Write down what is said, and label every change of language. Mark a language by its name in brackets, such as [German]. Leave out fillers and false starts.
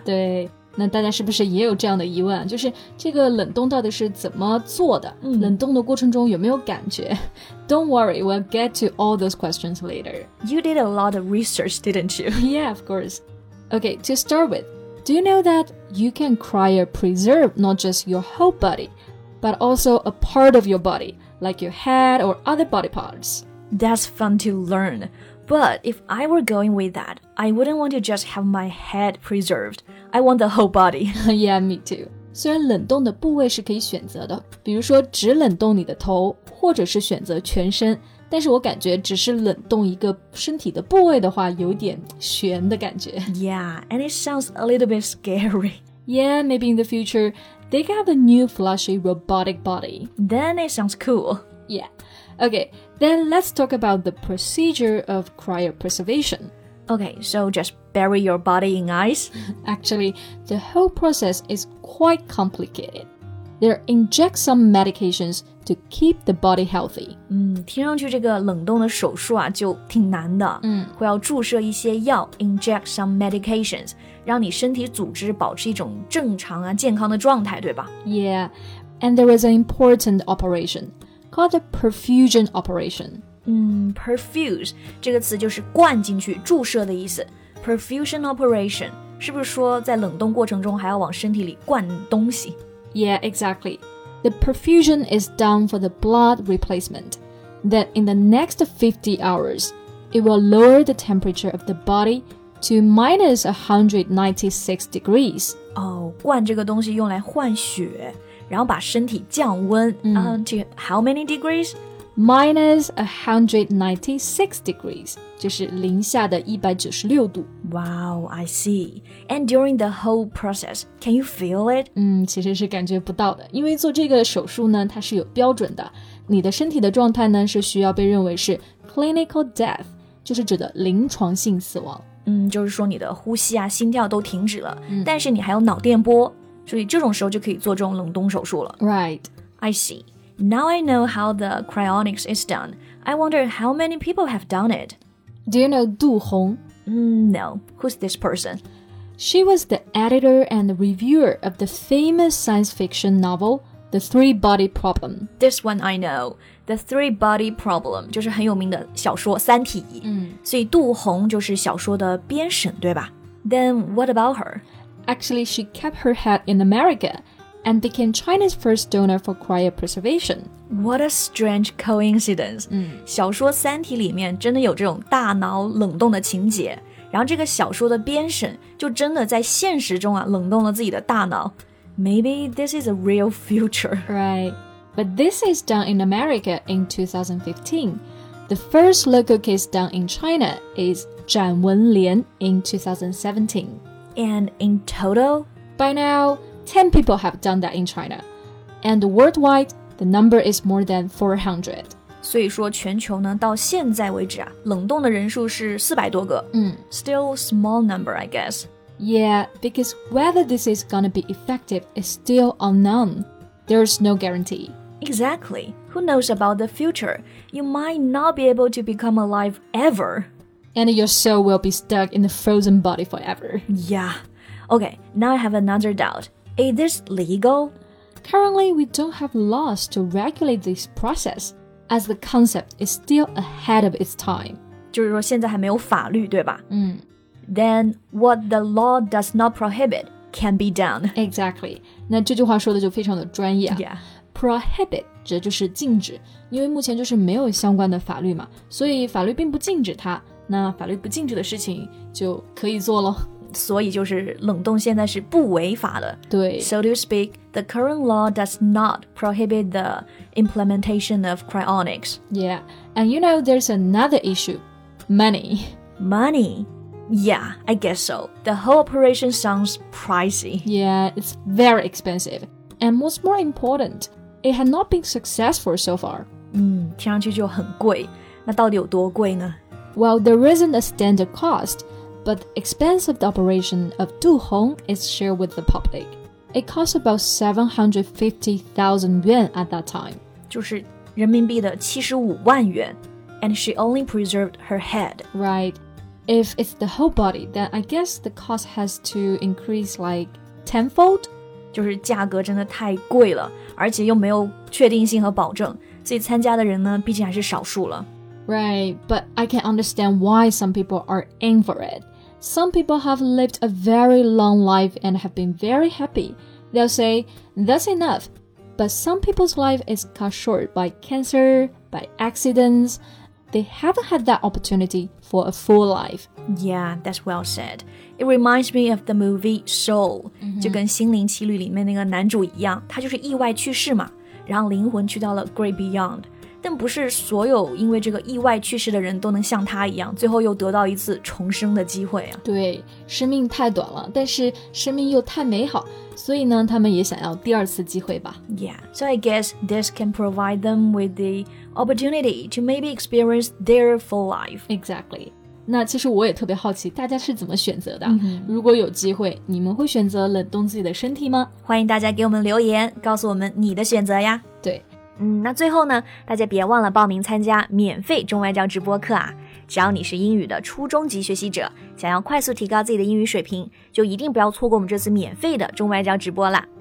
[Chinese] 对，那大家是不是也有这样的疑问？就是这个冷冻到底是怎么做的？冷冻的过程中有没有感觉？ [English] Don't worry, we'll get to all those questions later. You did a lot of research, didn't you? Yeah, of course. Okay, to start with, do you know that you can cryopreserve not just your whole body, but also a part of your body, like your head or other body parts? That's fun to learn. But if I were going with that, I wouldn't want to just have my head preserved. I want the whole body. Yeah, me too. [Chinese] 虽然冷冻的部位是可以选择的，比如说只冷冻你的头，或者是选择全身，但是我感觉只是冷冻一个身体的部位的话，有点悬的感觉。 [English] Yeah, and it sounds a little bit scary. Yeah, maybe in the future, they can have a new fleshy robotic body. Then it sounds cool. Yeah. Okay, then let's talk about the procedure of cryopreservation. Okay, so just bury your body in ice? Actually, the whole process is quite complicated. They're inject some medications to keep the body healthy. [Chinese] 听上去这个冷冻的手术啊就挺难的。会要注射一些药 , [English] inject some medications, [Chinese] 让你身体组织保持一种正常啊健康的状态对吧 [English] ?Yeah, and there is an important operation called the perfusion operation. [Chinese] Perfuse, 这个词就是灌进去注射的意思。 [English] Perfusion operation, [Chinese] 是不是说在冷冻过程中还要往身体里灌东西 [English] Yeah, exactly. The perfusion is done for the blood replacement. That in the next 50 hours, it will lower the temperature of the body to minus 196 degrees. [Chinese] 灌这个东西用来换血，然后把身体降温。 [English] To how many degrees? Minus 196 degrees, [Chinese] 就是零下的196度。 [English] Wow, I see. And during the whole process, can you feel it? [Chinese] 其实是感觉不到的。因为做这个手术呢，它是有标准的。你的身体的状态呢，是需要被认为是 [English] clinical death, [Chinese] 就是指的临床性死亡。就是说你的呼吸啊，心跳都停止了，但是你还有脑电波，所以这种时候就可以做这种冷冻手术了。 [English] Right. I see. Now I know how the cryonics is done. I wonder how many people have done it. Do you know Du Hong? No. Who's this person? She was the editor and reviewer of the famous science fiction novel, The Three-Body Problem. This one I know. [Chinese] The Three-Body Problem 就是很有名的小说《三体》。所以杜红就是小说的编审，对吧？ [English] Then what about her? Actually, she kept her head in America. And became China's first donor for cryopreservation. What a strange coincidence. [Chinese] 小说《三体》里面真的有这种大脑冷冻的情节，然后这个小说的编审就真的在现实中啊冷冻了自己的大脑。 [English] Maybe this is a real future. Right. But this is done in America in 2015. The first local case done in China is 展文莲 in 2017. And in total? By now... 10 people have done that in China. And worldwide, the number is more than 400. [Chinese] 所以说全球呢到现在为止啊冷冻的人数是400多个。 [English] Still small number, I guess. Yeah, because whether this is gonna be effective is still unknown. There's no guarantee. Exactly. Who knows about the future? You might not be able to become alive ever. And your soul will be stuck in the frozen body forever. Yeah. Okay, now I have another doubt. Is this legal? Currently, we don't have laws to regulate this process, as the concept is still ahead of its time. [Chinese] 就是说现在还没有法律，对吧？ [English] Then, what the law does not prohibit can be done. Exactly. [Chinese] 那这句话说的就非常的专业。 [English] Yeah. [Chinese] Prohibit 指就是禁止，因为目前就是没有相关的法律嘛，所以法律并不禁止它，那法律不禁止的事情就可以做咯。所以就是冷冻现在是不违法的。对。 [English] So to speak, the current law does not prohibit the implementation of cryonics. Yeah. And you know, there's another issue. Money. Money? Yeah, I guess so. The whole operation sounds pricey. Yeah, it's very expensive. And what's more important, it had not been successful so far. [Chinese] 听上去就很贵。那到底有多贵呢? [English] Well, there isn't a standard cost. But the expense of the operation of Du Hong is shared with the public. It cost about 750,000 yuan at that time. [Chinese] 就是人民币的75万元 [English] And she only preserved her head. Right. If it's the whole body, then I guess the cost has to increase like tenfold. [Chinese] 就是价格真的太贵了而且又没有确定性和保证所以参加的人呢毕竟还是少数了 [English] Right, but I can understand why some people are in for it. Some people have lived a very long life and have been very happy. They'll say, that's enough. But some people's life is cut short by cancer, by accidents. They haven't had that opportunity for a full life. Yeah, that's well said. It reminds me of the movie Soul. [Chinese] 就跟《心灵奇旅》里面那个男主一样，他就是意外去世嘛，然后灵魂去到了 Great Beyond. 但不是所有因为这个意外去世的人都能像他一样最后又得到一次重生的机会啊。对生命太短了但是生命又太美好所以呢他们也想要第二次机会吧 [English] Yeah, so I guess this can provide them with the opportunity to maybe experience their full life Exactly [Chinese] 那其实我也特别好奇大家是怎么选择的、嗯、如果有机会你们会选择冷冻自己的身体吗？欢迎大家给我们留言告诉我们你的选择呀。对，嗯，那最后呢，大家别忘了报名参加免费中外教直播课啊。只要你是英语的初中级学习者，想要快速提高自己的英语水平，就一定不要错过我们这次免费的中外教直播啦。